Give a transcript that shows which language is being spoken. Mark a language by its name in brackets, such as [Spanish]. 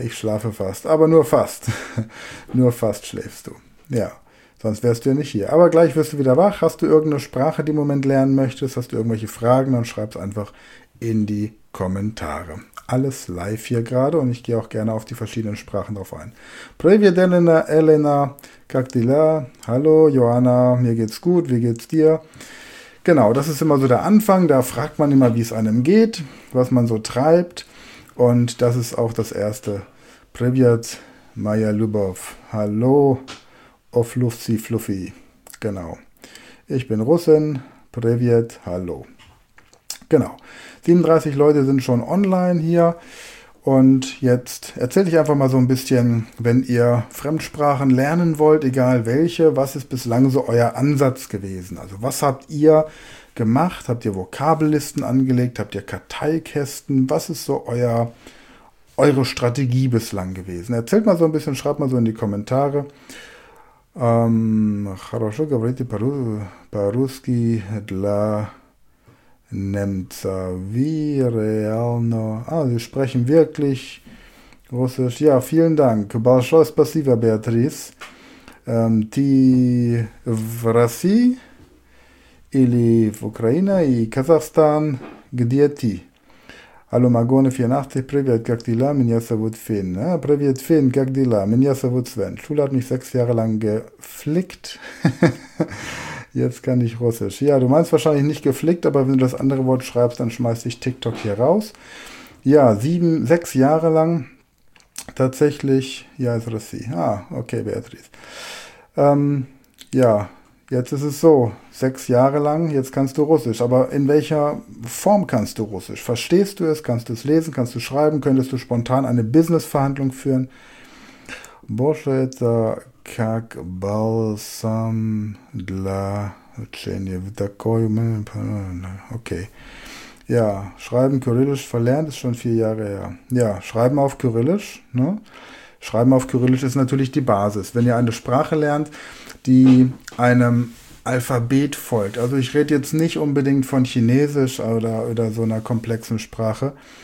[German] Ich schlafe fast, aber nur fast. Nur fast schläfst du. Ja, sonst wärst du ja nicht hier. Aber gleich wirst du wieder wach. Hast du irgendeine Sprache, die du im Moment lernen möchtest? Hast du irgendwelche Fragen? Dann schreib es einfach in die Kommentare. Alles live hier gerade und ich gehe auch gerne auf die verschiedenen Sprachen drauf ein. [Russian] Привет, Elena, Elena, как дела? [German] Hallo, Joanna, mir geht's gut, wie geht's dir? Genau, das ist immer so der Anfang, da fragt man immer, wie es einem geht, was man so treibt. Und das ist auch das Erste. Привет, Maya Lubov, hallo, Ofluffsi Fluffy. Genau, ich bin Russin, привет, hallo. Genau, 37 Leute sind schon online hier und jetzt erzähle ich einfach mal so ein bisschen, wenn ihr Fremdsprachen lernen wollt, egal welche, was ist bislang so euer Ansatz gewesen? Also was habt ihr gemacht? Habt ihr Vokabellisten angelegt? Habt ihr Karteikästen? Was ist so eure Strategie bislang gewesen? Erzählt mal so ein bisschen, schreibt mal so in die Kommentare. [Russian] Хорошо говорите по-русски для... Немца, wie реально? [German] Ah, sie sprechen wirklich Russisch. Ja, vielen Dank. [Russian] Большое спасибо, Beatrice. Ты в России или в Украине и Казахстан? Где ты? Алло, Магоне 84, привет, как дела? Меня зовут Финн. Привет, Финн, как дела? Меня зовут Свен. [German] Schule hat mich 6 Jahre lang geflickt. Jetzt kann ich Russisch. Ja, du meinst wahrscheinlich nicht geflickt, aber wenn du das andere Wort schreibst, dann schmeißt dich TikTok hier raus. Ja, 6 Jahre lang tatsächlich. Ja, ist Russi. Ah, okay, Beatrice. Ja, jetzt ist es so, 6 Jahre lang, jetzt kannst du Russisch. Aber in welcher Form kannst du Russisch? Verstehst du es? Kannst du es lesen? Kannst du schreiben? Könntest du spontan eine Business-Verhandlung führen? Borschetta... [Russian] Как бальзам для лечения в такой момент. Okay. [German] Ja, schreiben kyrillisch verlernt ist schon 4 Jahre her. Ja, schreiben auf kyrillisch. Ne? Schreiben auf kyrillisch ist natürlich die Basis. Wenn ihr eine Sprache lernt, die einem Alphabet folgt. Also ich rede jetzt nicht unbedingt von Chinesisch oder so einer komplexen Sprache.